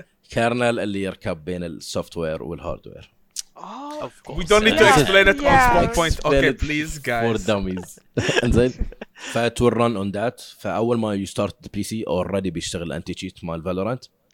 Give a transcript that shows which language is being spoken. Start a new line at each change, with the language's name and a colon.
Arabic: كيرنل اللي يركب بين السوفتوير والهاردوير
English: We don't need to explain it on one point. Okay, please, guys. For dummies. انزين. فات ورن on that.
Arabic: فأول ما
English: you start the PC already
Arabic: بيشتغل أنتي تشيت مال Valorant.